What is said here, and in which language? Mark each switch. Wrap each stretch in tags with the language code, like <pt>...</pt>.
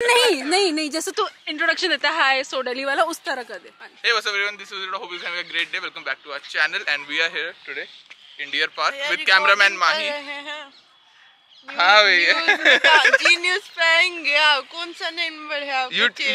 <hi>नहीं नहीं नहीं जैसे तू इंट्रोडक्शन देता है हाय सो दिल्ली वाला उस तरह का दे।</hi> <en>Hey what's up everyone, this is Udit, hope you're having a great day, welcome back to our channel and we are here today in Deer Park with cameraman Mahi।</en> <hi>हाँ भैया जीनियस पे आएंगे आप, कौन सा नेम पर है आपका?</hi>